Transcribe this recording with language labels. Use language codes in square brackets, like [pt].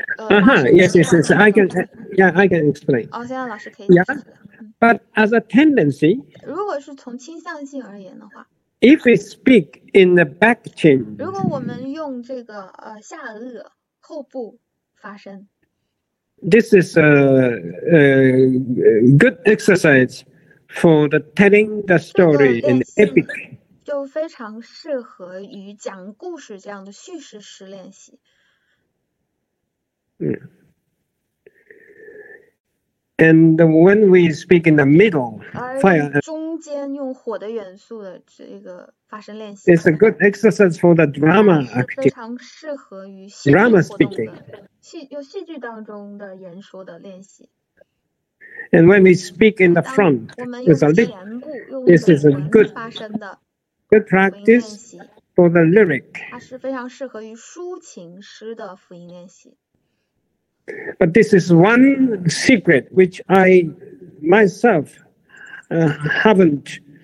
[en] yes. I can explain. [zh] 现在老师可以解释。 [en] But as a tendency, [zh] 如果是从倾向性而言的话, [en] if we speak in the back chin, [zh] 如果我们用这个, 下颚, 后部发声, [en] this is a good exercise for the telling the story in epic. [zh] 就非常适合于讲故事这样的叙事式练习。 [en] And when we speak in the middle, fire, [zh] 而中间用火的元素的这个发声练习, [en] it's a good exercise for the drama acting. [zh] 非常适合于戏剧活动的, [en] drama speaking. [zh] 戏剧当中的演说的练习。 [en] And when we speak in the front, it's a lip, this is a good good practice for the lyric. [zh] 它是非常适合于抒情诗的辅音练习。 [en] But this is one secret which I myself haven't